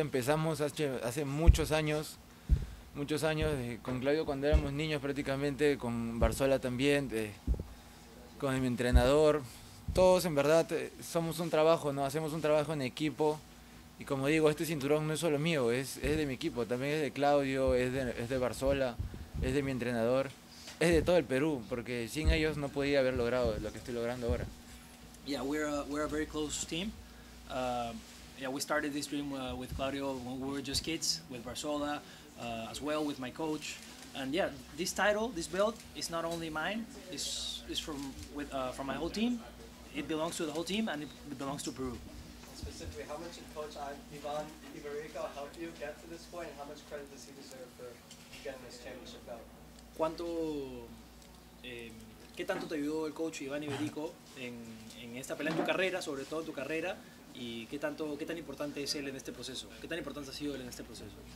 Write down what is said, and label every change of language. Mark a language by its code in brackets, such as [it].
[es] Empezamos hace muchos años, con Claudio cuando éramos niños prácticamente, con Barzola también, con mi entrenador. Todos en verdad somos un trabajo, ¿no? Hacemos un trabajo en equipo Y como digo, este cinturón no es solo mío, es de mi equipo, también es de Claudio, es de Barzola, es de mi entrenador, es de todo el Perú, porque sin ellos no podía haber logrado lo que estoy logrando ahora. [en] Yeah, we're a very close team. Yeah, we started this dream with Claudio when we were just kids, with Barzola, as well with my coach. And yeah, this title, this belt, is not only mine, it's from my whole team. It belongs to the whole team and it belongs to Peru. Specifically, how much did Coach Ivan Ibarica help you get to this point, and how much credit does he deserve for getting this championship belt? [es] ¿Cuánto, qué tanto te ayudó el coach Iván Iberico en esta pelea, en tu carrera, sobre todo en tu carrera, y qué tan importante es él en este proceso? ¿Qué tan importante ha sido él en este proceso?